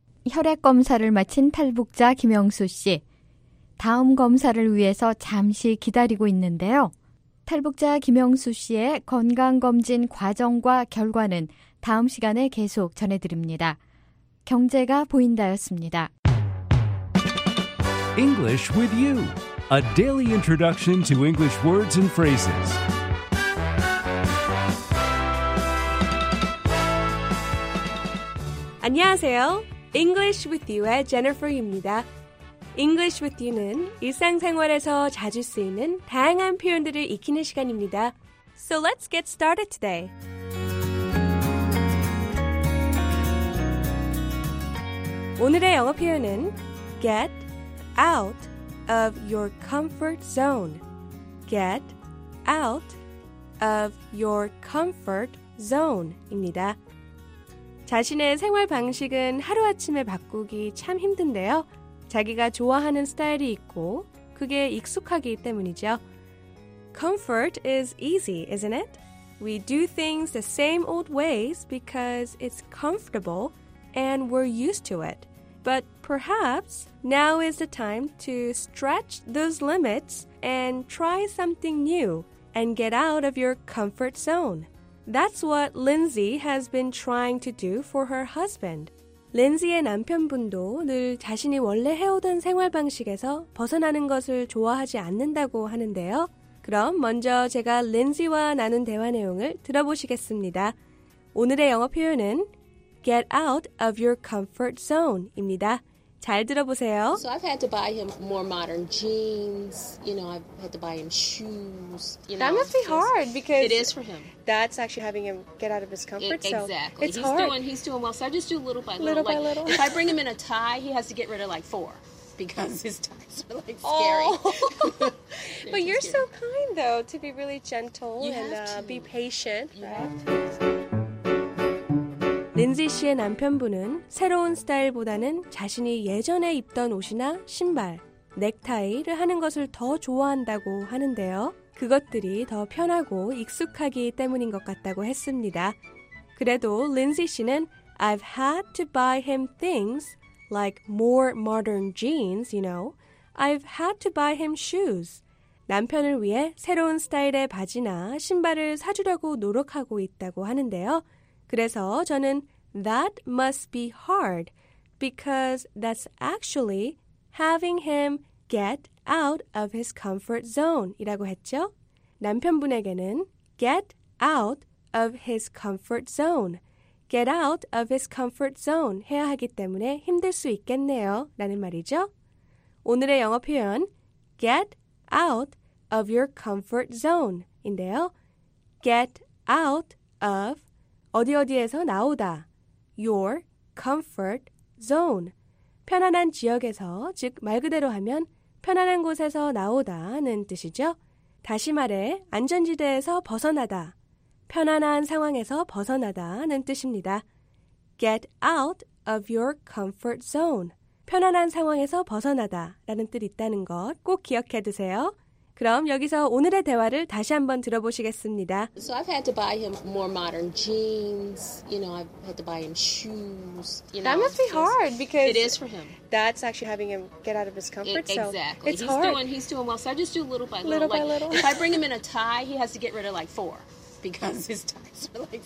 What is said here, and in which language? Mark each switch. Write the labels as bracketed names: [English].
[Korean] 혈액검사를 마친 탈북자 김영수 씨. 다음 검사를 위해서 잠시 기다리고 있는데요. 탈북자 김영수 씨의 건강검진 과정과 결과는 다음 시간에 계속 전해드립니다. 경제가 보인다였습니다. [English] English with you. A daily introduction to English words and phrases. [Korean] 안녕하세요. English with you의 제니퍼입니다. English with you는 일상생활에서 자주 쓰이는 다양한 표현들을 익히는 시간입니다. [English] So let's get started today. [Korean] 오늘의 영어 표현은 [English] get out of your comfort zone. Get out of your comfort zone입니다. [Korean] 자신의 생활 방식은 하루아침에 바꾸기 참 힘든데요. 자기가 좋아하는 스타일이 있고 그게 익숙하기 때문이죠. [English] Comfort is easy, isn't it? We do things the same old ways because it's comfortable and we're used to it. But perhaps now is the time to stretch those limits and try something new and get out of your comfort zone. That's what Lindsay has been trying to do for her husband. [Korean] Lindsay의 남편분도 늘 자신이 원래 해오던 생활 방식에서 벗어나는 것을 좋아하지 않는다고 하는데요. 그럼 먼저 제가 Lindsay와 나눈 대화 내용을 들어보시겠습니다. 오늘의 영어 표현은 [English] get out of your comfort zone [Korean] 입니다. 잘 들어보세요. [English] So I've had to buy him more modern jeans. You know, I've had to buy him shoes. You that know, must be hard because... It is for him. That's actually having him get out of his comfort zone. Exactly. It's he's hard. Doing, he's doing well. So I just do little by little. Little by little. If I bring him in a tie, he has to get rid of like four. because his tongues were like scary. Oh. But you're so kind, though, to be really gentle and be patient. [Korean] Lindsay 씨의 남편분은 새로운 스타일보다는 자신이 예전에 입던 옷이나 신발, 넥타이를 하는 것을 더 좋아한다고 하는데요. 그것들이 더 편하고 익숙하기 때문인 것 같다고 했습니다. 그래도 [English] Lindsay 씨는 I've had to buy him things like more modern jeans, you know. I've had to buy him shoes. [Korean] 남편을 위해 새로운 스타일의 바지나 신발을 사주려고 노력하고 있다고 하는데요. 그래서 저는 [English] That must be hard because that's actually having him get out of his comfort zone [Korean] 이라고 했죠. 남편분에게는 [English] get out of his comfort zone, [Korean] get out of his comfort zone 해야 하기 때문에 힘들 수 있겠네요 라는 말이죠. 오늘의 영어 표현 [English] get out of your comfort zone [Korean] 인데요. [English] get out of [Korean] 어디 어디에서 나오다 [English] your comfort zone [Korean] 편안한 지역에서 즉 말 그대로 하면 편안한 곳에서 나오다는 뜻이죠. 다시 말해 안전지대에서 벗어나다 편안한 상황에서 벗어나다는 뜻입니다. [English] Get out of your comfort zone [Korean] 편안한 상황에서 벗어나다라는 뜻 있다는 것 꼭 기억해 두세요. 그럼 여기서 오늘의 대화를 다시 한번 들어보시겠습니다. [English] So I've had to buy him more modern jeans. You know, I've had to buy him shoes. You know, that must be hard because it is for him. That's actually having him get out of his comfort zone. Exactly. It's hard. He's doing well. So I just do little by little. Little by little. If I bring him in a tie, he has to get rid of like four because his ties are like scary.